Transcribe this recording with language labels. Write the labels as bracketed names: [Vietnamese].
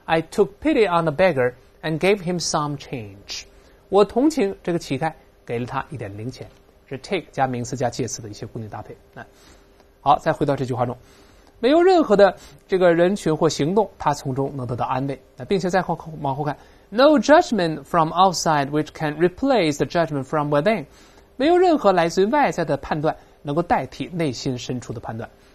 [English] I took pity on the beggarAnd gave him some change. [Chinese] 我同情这个乞丐，给了他一点零钱。是 take 加名词加介词的一些固定搭配。好，再回到这句话中，没有任何的这个人群或行动，他从中能得到安慰。 [English] 并且再往后看，No judgment from outside which can replace the judgment from within. [Chinese] 没有任何来自于外在的判断能够代替内心深处的判断。